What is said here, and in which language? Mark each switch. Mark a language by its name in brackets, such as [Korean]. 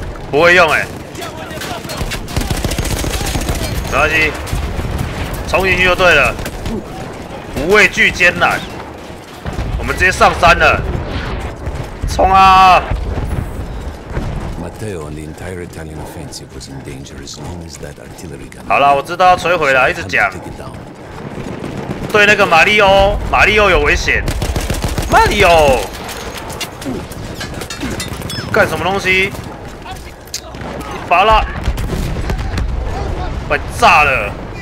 [Chinese] 不会用欸，没关系，冲进去就对了。不畏惧艰难，我们直接上山了，冲啊！ [English] Matteo and the entire Italian offensive was in danger as long as that artillery gun. [Chinese] 好了，我知道要摧毁了，一直讲。对那个马里奥，马里奥有危险。马里奥，干什么东西？你拔了，快炸了！